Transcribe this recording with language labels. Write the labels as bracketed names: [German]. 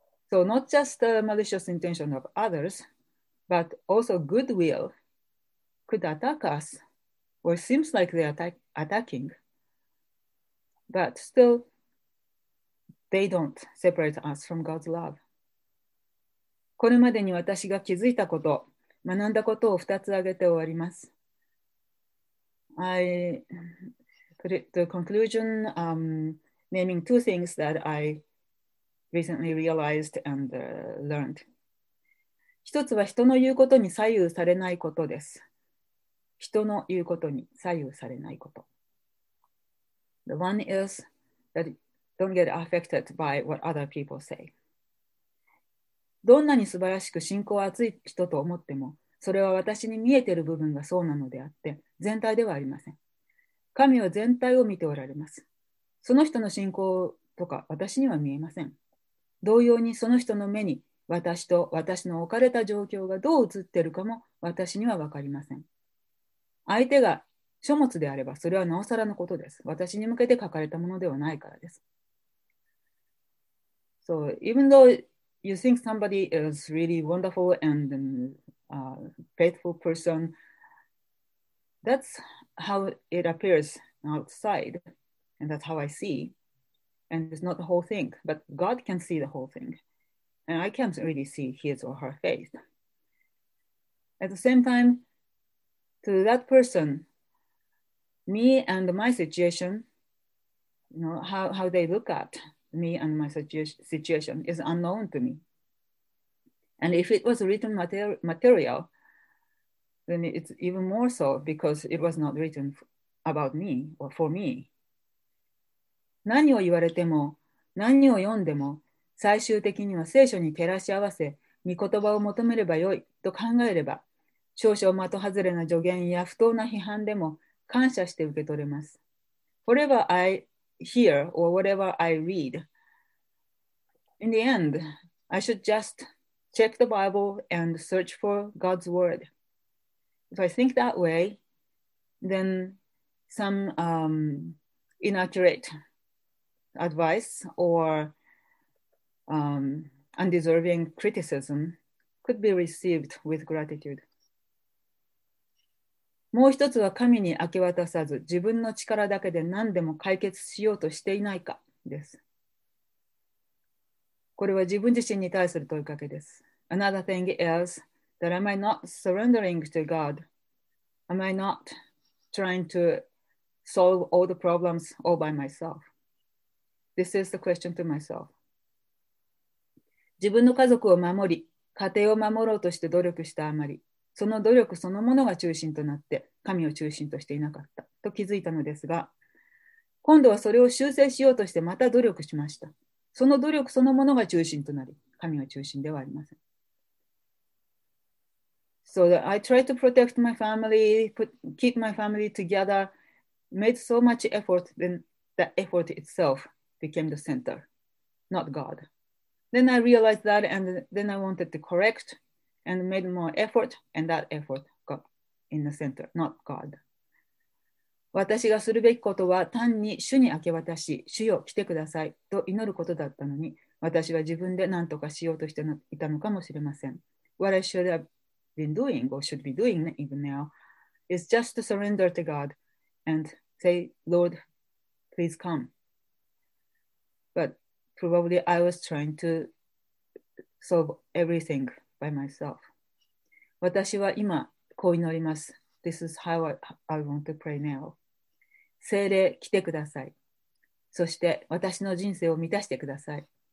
[English] So not just the malicious intention of others, but also goodwill could attack us, or seems like they're attacking. But still, they don't separate us from God's love. [Japanese] これまでに私が気づいたこと、学んだことを2つ挙げて終わります。 [English] I put it to conclusion, naming two things that I recently realized and learned. [Japanese] 一つは人の言うことに左右されないことです。人の言うことに左右されないこと。 [English] The one is that don't get affected by what other people say. [Japanese] どんなに素晴らしく信仰を厚い人と思っても、それは私に見えている部分がそうなのであって、全体ではありません。神は全体を見ておられます。その人の信仰とか私には見えません。同様にその人の目に私と私の置かれた状況がどう映っているかも私には分かりません。相手が書物であればそれはなおさらのことです。私に向けて書かれたものではないからです。 [English] So even though you think somebody is really wonderful and faithful person, that's how it appears outside, and that's how I see, and it's not the whole thing, but God can see the whole thing, and I can't really see his or her faith. At the same time, to that person, me and my situation, you know, how they look at me and my situation is unknown to me. And if it was written material, then it's even more so because it was not written about me or for me. [Japanese] 何を言われても、何を読んでも、最終的には聖書に照らし合わせ、御言葉を求めればよいと考えれば、少々的外れな助言や不当な批判でも感謝して受け取れます。 [English] Whatever I hear or whatever I read, in the end, I should just check the Bible and search for God's word. If I think that way, then some inaccurate advice or undeserving criticism could be received with gratitude. [Japanese] もう一つは神に明け渡さず、自分の力だけで何でも解決しようとしていないかです。これは自分自身に対する問いかけです。 [English] Another thing is that am I not surrendering to God? Am I not trying to solve all the problems all by myself? This is the question to myself. [Japanese] 自分の家族を守り、家庭を守ろうとして努力したあまり、その努力そのものが中心となって、神を中心としていなかったと気づいたのですが、今度はそれを修正しようとしてまた努力しました。その努力そのものが中心となり、神は中心ではありません。 [English] So that I tried to protect my family, keep my family together, made so much effort, then the effort itself became the center, not God. Then I realized that, and then I wanted to correct and made more effort, and that effort got in the center, not God. [Japanese] 私がするべきことは単に主に明け渡し、主よ来てくださいと祈ることだったのに、私は自分で何とかしようとしていたのかもしれません。 [English] What I should haveBeen doing or should be doing even now is just to surrender to God and say, Lord, please come. But probably I was trying to solve everything by myself. [Japanese] 私は今こう祈ります。 [English] This is how I want to pray now. [Japanese] 聖霊来てください。そして私の人生を満たしてください。